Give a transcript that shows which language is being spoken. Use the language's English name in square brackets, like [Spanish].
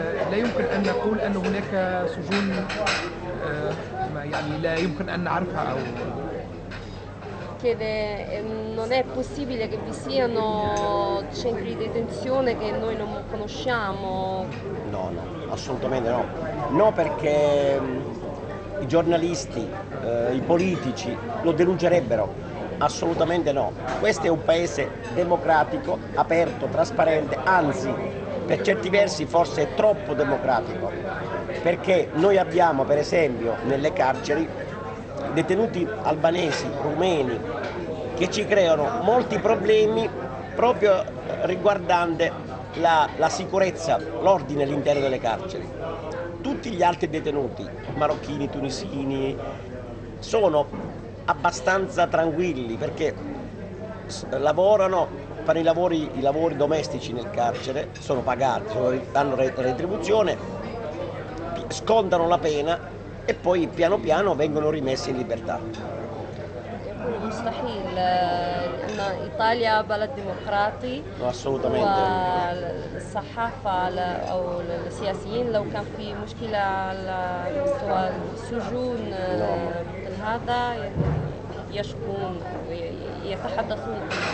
[Arabic] لا يمكن أن نقول أن هناك سجون يعني لا يمكن أن نعرفها أو [Italian] che non è possibile che vi siano centri di detenzione che noi non conosciamo. No, no, assolutamente no. No, perché i giornalisti, i politici lo denuncierebbero. Assolutamente no. Questo è un paese democratico, aperto, trasparente, anzi per certi versi forse è troppo democratico, perché noi abbiamo per esempio nelle carceri detenuti albanesi, rumeni, che ci creano molti problemi proprio riguardante la sicurezza, l'ordine all'interno delle carceri. Tutti gli altri detenuti, marocchini, tunisini, sono abbastanza tranquilli perché lavorano, fanno i lavori domestici nel carcere, sono pagati, hanno retribuzione, scontano la pena e poi piano piano vengono rimessi in libertà. [Arabic] مستحيل ان ايطاليا بلد ديمقراطي والصحافه او السياسيين لو كان في مشكله على مستوى السجون هذا يشكون يتحدثون